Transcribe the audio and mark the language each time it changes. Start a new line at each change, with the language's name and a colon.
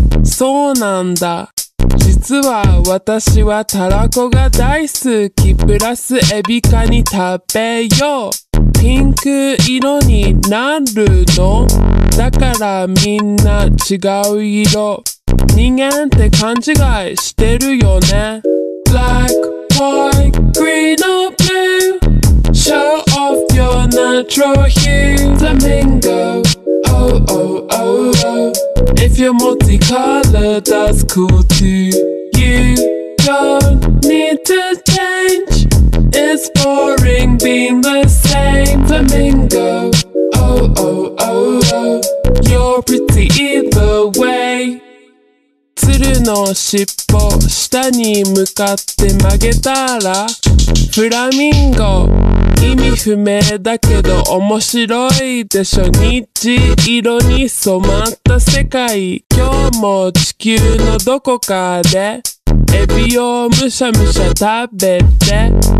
Japanese: そうなんだ。実は私はタラコが大好き。プラスエビカニ食べよう。ピンク色になるの？だからみんな違う色。人間って勘違いしてるよね。
English: Black, white, green or blue? Show off your natural hue. Flamingo, oh oh oh oh. If you're multicolored, that's cool too. You don't need to change. It's boring being the same. Flamingo, oh oh oh oh. You're pretty either way.
Japanese: 鶴の尻尾下に向かって曲げたらフラミンゴ意味不明だけど面白いでしょ虹色に染まった世界今日も地球のどこかでエビをむしゃむしゃ食べて